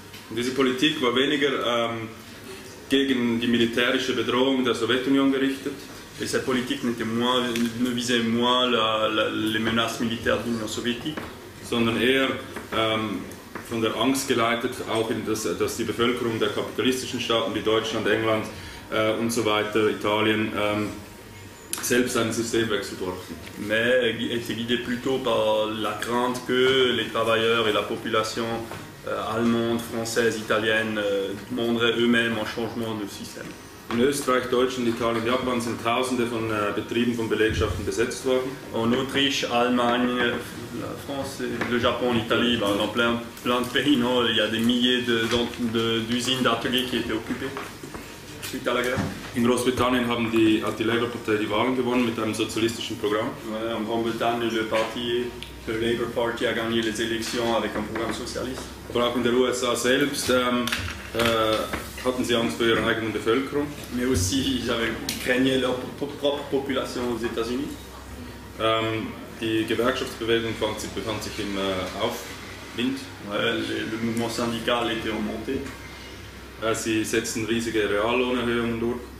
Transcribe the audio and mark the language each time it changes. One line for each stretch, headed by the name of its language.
German: Diese Politik war weniger gegen die militärische Bedrohung der Sowjetunion gerichtet.
French: Et cette politique ne visait moins les menaces militaires de l'Union soviétique,
German: sondern eher von der Angst geleitet, auch in dass die Bevölkerung der kapitalistischen Staaten wie Deutschland, England und so weiter, Italien, selbst einen Systemwechsel brauchten.
French: Mais était guidé plutôt par la crainte que les travailleurs et la population allemande, française, italienne demanderaient eux-mêmes un changement de système.
German: In Österreich, Deutschland, Italien, Japan sind Tausende von Betrieben, von Belegschaften besetzt worden.
French: En Autriche, Allemagne, la France, le Japon, l'Italie, dans plein de pays, non, il y a des milliers d'usines, d'ateliers qui étaient occupés suite à la guerre.
German: In Großbritannien haben die Labour Partei die Wahlen gewonnen mit einem sozialistischen Programm.
French: Ouais, en Grande-Bretagne, le Labour Party a gagné les élections avec un programme socialiste.
German: Aber auch in den USA selbst hatten sie Angst vor ihrer eigenen Bevölkerung.
French: Mais aussi, ils craignaient leur propre population aux États-Unis.
German: Die Gewerkschaftsbewegung befand sich im Aufwind.
French: Ouais, le mouvement syndical était en montée.
German: Sie setzten riesige Reallohnerhöhungen durch.